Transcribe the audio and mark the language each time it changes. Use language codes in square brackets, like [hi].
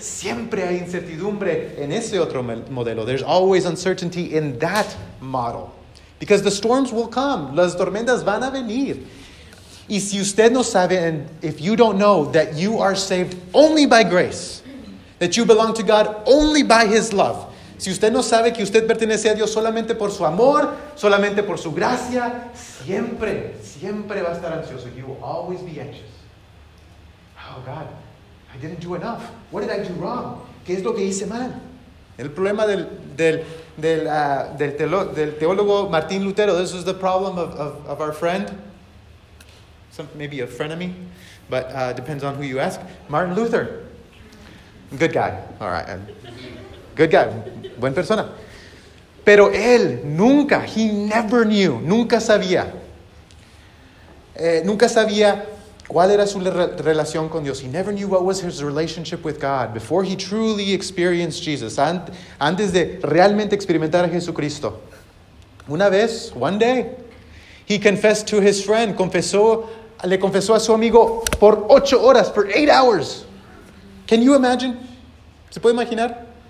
[es] Siempre hay incertidumbre en ese otro modelo. [en] There's always uncertainty in that model. Because the storms will come. [es] Las tormentas van a venir. Y si usted no sabe, [en] and if you don't know that you are saved only by grace, that you belong to God only by His love. [es] Si usted no sabe que usted pertenece a Dios solamente por su amor, solamente por su gracia, siempre, siempre va a estar ansioso. [en] He will always be anxious. Oh, God, I didn't do enough. What did I do wrong? [es] ¿Qué es lo que hice mal? El problema del teólogo Martín Lutero. [en] This is the problem of our friend. Maybe a frenemy, but depends on who you ask. Martin Luther. Good guy. All right. Good guy. [es] Buen persona. Pero él nunca, [en] he never knew, [es] nunca sabía. Nunca sabía cuál era su relación con Dios. [en] He never knew what was his relationship with God before he truly experienced Jesus. [es] Antes de realmente experimentar a Jesucristo. Una vez, [en] one day, he confessed to his friend, [es] le confesó a su amigo por 8 horas, [en] for 8 hours. Can you imagine? [es] ¿Se puede imaginar?